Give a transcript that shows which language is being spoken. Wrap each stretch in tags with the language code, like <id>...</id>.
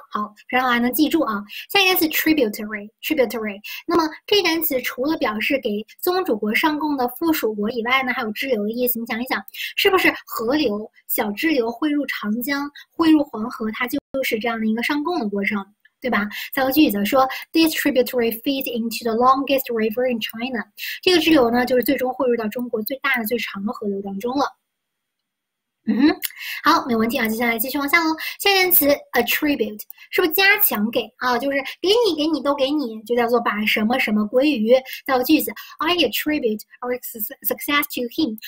<zh>好，非常好，还能记住啊。下一个是 tributary，tributary。那么这单词除了表示给宗主国上供的附属国以外呢，还有支流的意思。你想一想，是不是河流小支流汇入长江、汇入黄河，它就是这样的一个上供的过程，对吧？造个句子说，</zh> <en>This tributary feeds into the longest river in China。</en> <zh>这个支流呢，就是最终汇入到中国最大的、最长的河流当中了。嗯，好，没问题啊。接下来继续往下喽。下一单词 attribute 是不是加强给啊？就是给你都给你，就叫做把什么什么归于。造个句子，</zh> <en>I attribute our success to him。</en>